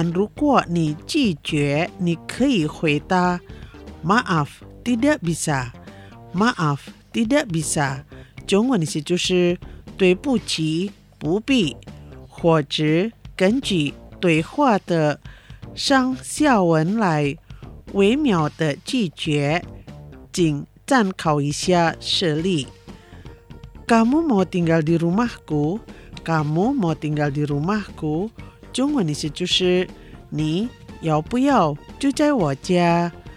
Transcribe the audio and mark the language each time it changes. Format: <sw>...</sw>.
<zh>中文的意思就是当然，但如果你拒绝，你可以回答</zh> <id>maaf tidak bisa， maaf tidak bisa，</id> <zh>中文的意思就是对不起，不必，或者根据对话的上下文来微妙的拒绝，请参考一下实例。</zh> <id>Kamu mau tinggal di rumahku？ Kamu mau tinggal di rumahku？</id> <zh>中文意思就是你要不要住在我家？</zh>